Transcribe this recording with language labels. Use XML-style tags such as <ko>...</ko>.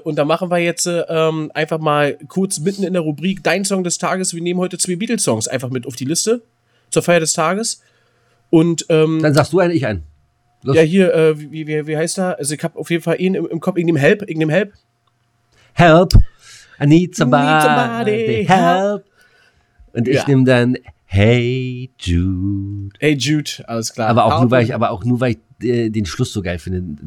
<de>Und da machen wir jetzt einfach mal kurz mitten in der Rubrik Dein Song des Tages. Wir nehmen heute zwei Beatles-Songs einfach mit auf die Liste zur Feier des Tages. Und dann sagst du einen, ich einen. Los. Ja, hier, wie heißt er? Also ich hab auf jeden Fall ihn im Kopf, irgendeinem Help.</de> <en>Help, I need somebody help.</en> <de>Und ich nehme dann Hey Jude, alles klar. Aber auch nur, weil ich den Schluss so geil finde.</de>